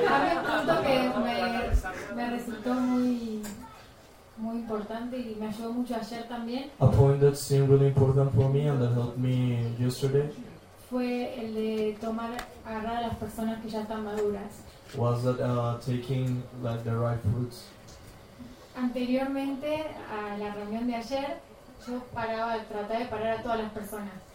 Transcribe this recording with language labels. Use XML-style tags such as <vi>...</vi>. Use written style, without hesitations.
<es>Había un punto que me resultó muy importante y me ayudó mucho ayer también.</es> <en>A point that seemed really important for me and that helped me yesterday</en> <es>fue el de agarrar a las personas que ya están maduras.</es> <en>was that taking like the right fruits.</en> <es>Anteriormente a la reunión de ayer, yo paraba, trataba de parar a todas las personas.</es>